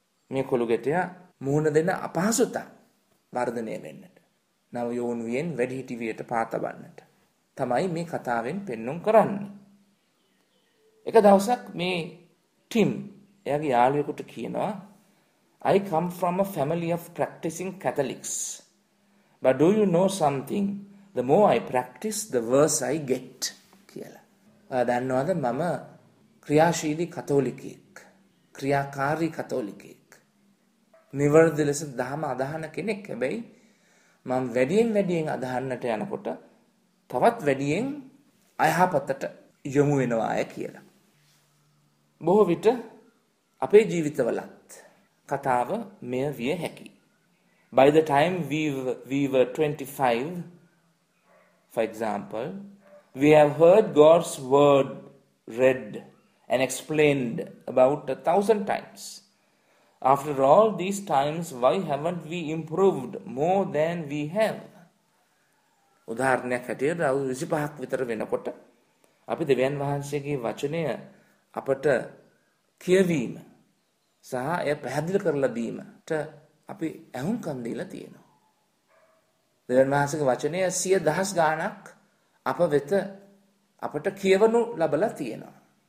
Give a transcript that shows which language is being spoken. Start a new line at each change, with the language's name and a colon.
Sinhala: මේ කොළු ගැටයා මුහුණ දෙන අපහසුතා වර්ධනය වෙන්නට, නව යෝනුවෙන් වැඩිහිටියට පාතබන්නට තමයි මේ කතාවෙන් පෙන්නුම් කරන්නේ. එක දවසක් මේ ටිම් එයාගේ යාළුවෙකුට කියනවා,
English: I come from a family of practicing Catholics. But do you know something? The more I practice, the worse I get.
Sinhala: කියලා. ඔයා දන්නවද, මම ක්‍රියාශීලී කතෝලිකයෙක්. ක්‍රියාකාරී කතෝලිකයෙක්. නිවර්දි ලෙස දහම අදහන කෙනෙක්. හැබැයි මම වැඩියෙන් වැඩියෙන් අදහන්නට යනකොට තවත් වැඩියෙන් අයහපතට යොමු වෙනවාය කියලා. බොහෝ විට අපේ ජීවිතවලත් කතාව මෙය විය හැකි.
English: By the time we were 25, for example, we have heard God's word read and explained about 1,000 times. After all these times, why haven't we improved more than we have?
Sinhala: උදාහරණයක් හැටියට අවුරුදු 25ක් විතර වෙනකොට අපි දෙවියන් වහන්සේගේ වචනය අපට කියවීම සහ එය පැහැදිලි කරලා දීමට අපි ඇහුම්කන් දීලා තියෙනවා. දෙවියන් වහන්සේගේ වචනය 10,000 ගාණක් අප වෙත අපට කියවනු ලබලා තියෙනවා.